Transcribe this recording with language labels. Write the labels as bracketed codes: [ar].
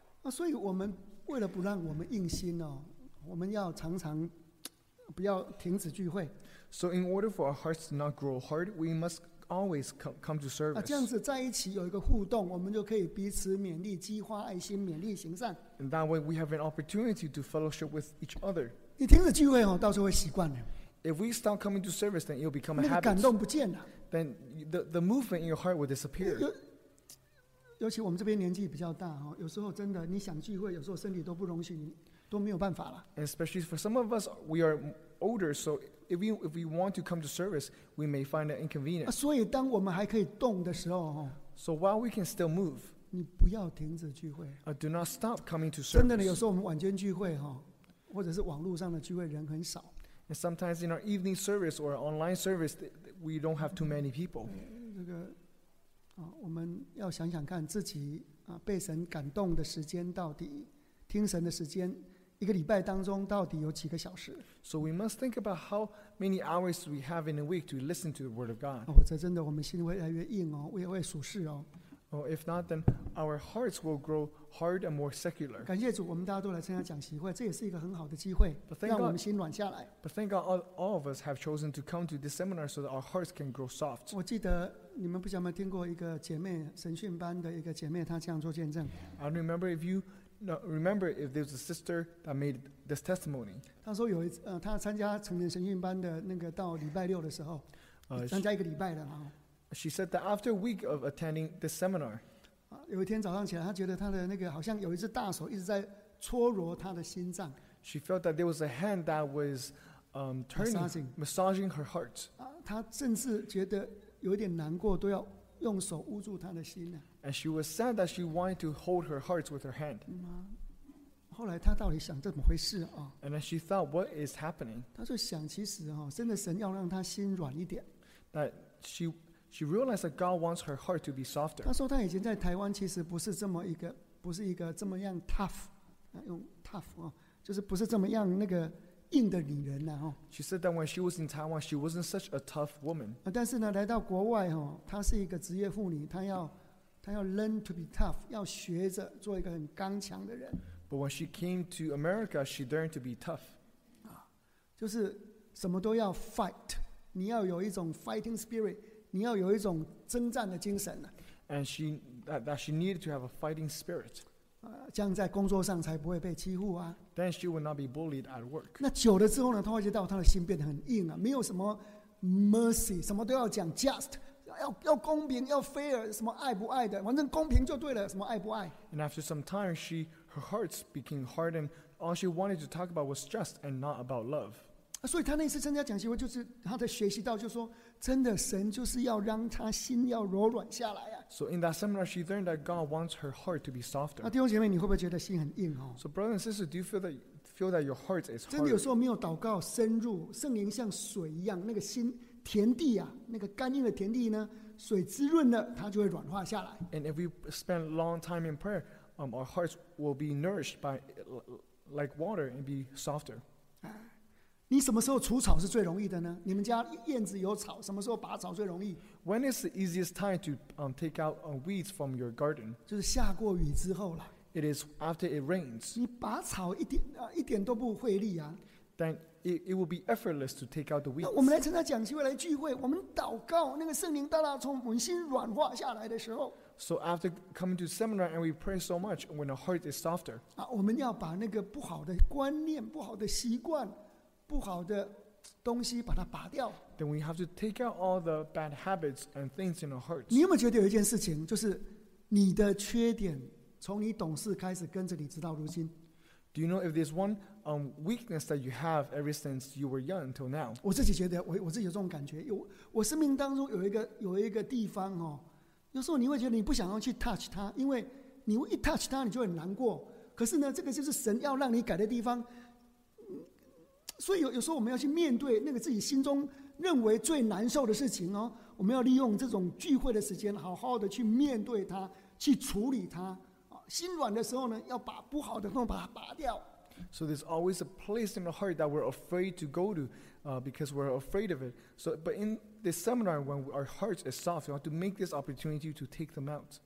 [zh] 所以我们为了不让我们硬心哦，我们要常常不要停止聚会。 [en] So in order for our hearts to not grow hard, we must always come to service. [zh] 这样子在一起有一个互动，我们就可以彼此勉励，激发爱心，勉励行善。 [en] And that way we have an opportunity to fellowship with each other. [zh] 你停止聚会哦，到时候会习惯的。 [en] If we stop coming to service, then it'll become a habit. [zh] 那个感动不见了。 [en] Then the movement in your heart will disappear. [zh] 尤其我们这边年纪比较大哦，有时候真的你想聚会，有时候身体都不容许你。都没有办法了。 [en] And especially for some of us, we are older, so if we want to come to service, we may find it inconvenient. [zh] 所以当我们还可以动的时候 [en] So while we can still move, [zh] 你不要停止聚会。 [en] Do not stop coming to service. [zh] 真的，有时候我们晚间聚会或者是网络上的聚会，人很少。 [en] And sometimes in our evening service or online service, we don't have too many people. [zh] 这个我们要想想看自己被神感动的时间到底，听神的时间，一个礼拜当中到底有几个小时。 [en] So we must think about how many hours we have in a week to listen to the word of God. [zh] 或者真的我们心会越来越硬我也会属实 [en] Oh, if not, then our hearts will grow hard and more secular. [zh] 感谢主，我们大家都来参加讲习会，这也是一个很好的机会，让我们心软下来。 [en] But thank God, all of us have chosen to come to this seminar so that our hearts can grow soft. [zh] 我记得你们不晓得听过一个姐妹神训班的一个姐妹，她这样做见证。 [en] I remember if you remember if there's a sister that made this testimony. [zh] 她说有一她参加成人神训班的那个到礼拜六的时候，参加一个礼拜的 [en] She said that after a week of attending the seminar, [zh] 有一天早上起来，她觉得她的那个好像有一只大手一直在搓揉她的心脏。 [en] She felt that there was a hand that was, massaging her heart. [zh] 她甚至觉得有点难过，都要用手捂住她的心。 [en] And she was sad that she wanted to hold her heart with her hand. [zh] 后来她到底想怎么回事 [en] ？And then she thought, what is happening? [zh] 她就想，其实真的神要让她心软一点。 [en] That She realized that God wants her heart to be softer. [zh] 她说她以前在台湾其实不是这么一个，不是一个这么样 tough， 用 tough 就是不是这么样那个硬的女人呐。 [en] She said that when she was in Taiwan, she wasn't such a tough woman. [zh] 但是呢，来到国外她是一个职业妇女，她要 [en] learn to be tough， [zh] 要学着做一个很刚强的人。 [en] But when she came to America, she learned to be tough. [zh] 就是什么都要 fight， 你要有一种 fighting spirit。你要有一种征战的精神。 [en] And she needed to have a fighting spirit. [zh] 这样在工作上才不会被欺负。 [en] Then she would not be bullied at work. [zh] 那久了之后呢，她会觉得她的心变得很硬没有什么 mercy， 什么都要讲 just， 要公平，要 fair， 什么爱不爱的，反正公平就对了，什么爱不爱。 [en] And after some time, her heart became hardened. All she wanted to talk about was just and not about love. [zh] 所以她那次参加讲习会，就是她的学习到，就是说。真的，神就是要让他心要柔软下来。 [en] So in that seminar, she learned that God wants her heart to be softer. [zh] 弟兄姐妹，你会不会觉得心很硬？ [en] So brothers and sisters, do you feel that your heart is hard? [zh] 真的有时候没有祷告深入，圣灵像水一样，那个心田地那个干硬的田地呢，水滋润了，它就会软化下来。 [en] And if we spend long time in prayer, our hearts will be nourished by like water and be softer. [zh] 你什么时候除草是最容易的呢？你们家院子有草，什么时候拔草最容易 [en] ？When is the easiest time to take out weeds from your garden？ [zh] 就是下过雨之后了。 [en] It is after it rains。 [zh] 你拔草一点都不费力。 [en] Then it will be effortless to take out the weeds。 [zh] 我们来参加讲机会来聚会，我们祷告，那个圣灵大大从我们心软化下来的时候。 [en] So after coming to seminar and we pray so much, when our heart is softer。 [zh] 我们要把那个不好的观念、不好的习惯。不好的东西把它拔掉。 [en] Then we have to take out all the bad habits and things in our hearts. [zh] 你有没有觉得有一件事情，就是你的缺点从你懂事开始跟着你直到如今 [en] ？Do you know if there's one weakness that you have ever since you were young until now？ [zh] 我自己觉得，我自己有这种感觉，我生命当中有一个地方有时候你会觉得你不想要去 touch 它，因为你一 touch 它你就很难过。可是呢，这个就是神要让你改的地方。所以 有时候我们要去面对那个自己心中认为最难受的事情我们要利用这种聚会的时间好好的去面对它去处理它心软的时候呢要把不好的东西把它拔掉 [en] So there's always a place in the heart that we're afraid to go to because we're afraid of it So, But in this seminar when our heart is soft you have to make this opportunity to take them out